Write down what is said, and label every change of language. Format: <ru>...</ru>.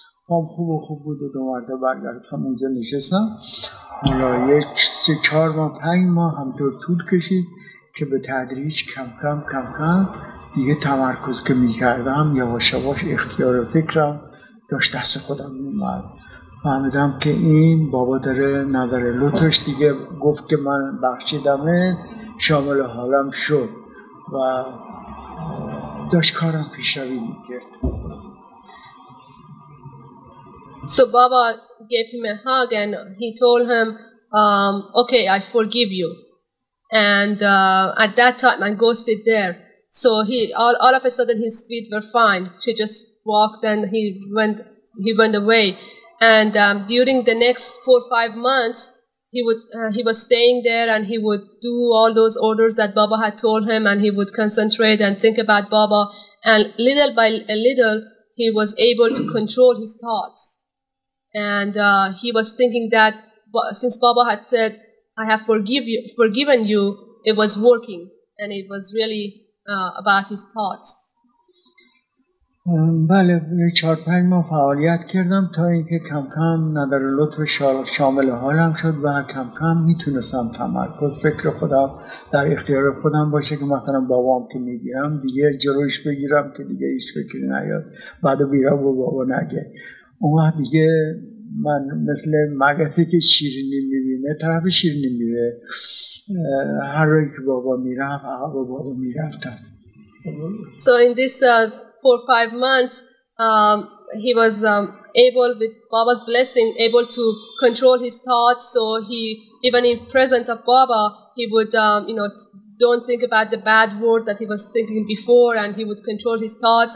<fa>هم خوب خوب بود و دوباره برگردم اونجا نشستم. حالا یک سه چهار ماه پنج ماه همطور طول کشید که به تدریج کم کم دیگه تمرکز که می کردم یواش یواش اختیار و فکرم داشت دست خودم می اومد. فهمیدم که این بابا داره نظر لطفش دیگه گفت که من بخشیدمه شامل حالم شد و داشت کارم پیش روی می کرد.</fa> <en>So Baba gave him a hug and he told him, okay, I forgive you. And at that time I ghosted there. So he all of a sudden his feet were fine. He just walked and he went away. And during the next 4 or 5 months, he was staying there and he would do all those orders that Baba had told him, and he would concentrate and think about Baba. And little by little, he was able to control his thoughts. And he was thinking that since Baba had said, "I have forgiven you," it was working, and it was really about his thoughts.</en> <fa>بله 4-5 ماه فعالیت کردم تا اینکه کم کم نظر لطف شامل حالم شد و کم کم میتونستم تمرکز فکر خودم در اختیار خودم باشه که مثلا بابام که میگیرم دیگه جلوش بگیرم که دیگه هیچ فکری نیاد بعد بیرم و بابا نگه. اون وقت دیگه من مثل مگسی که شیرینی میبینه طرف شیرینی میره هر روی که بابا میرفت عقب بابا میرفتم.</fa> <en>So in this 4 or 5 months, he was able, with Baba's blessing, able to control his thoughts. So he, even in presence of Baba, he would, don't think about the bad words that he was thinking before, and he would control his thoughts.</en>